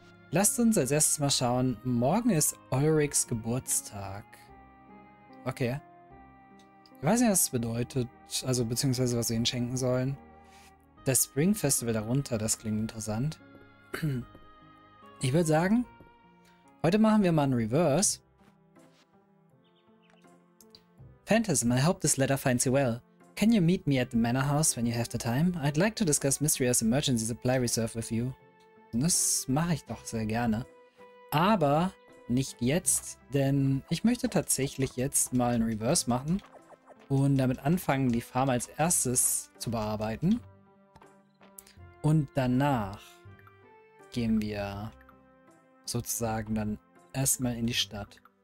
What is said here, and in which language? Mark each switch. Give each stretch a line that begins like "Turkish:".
German: Lasst uns als erstes mal schauen. Morgen ist Ulrichs Geburtstag. Okay. Ich weiß nicht, was das bedeutet, also beziehungsweise was wir ihnen schenken sollen. Das Spring Festival darunter, das klingt interessant. Ich würde sagen, heute machen wir mal einen Reverse.
English: Phantasm, I hope this letter finds you well. Can you meet me at the manor house when you have the time? I'd like to discuss Mysteria's emergency supply reserve with you.
German: Das mache ich doch sehr gerne. Aber nicht jetzt, denn ich möchte tatsächlich jetzt mal einen Reverse machen und damit anfangen, die Farm als erstes zu bearbeiten. Und danach gehen wir sozusagen dann erstmal in die Stadt.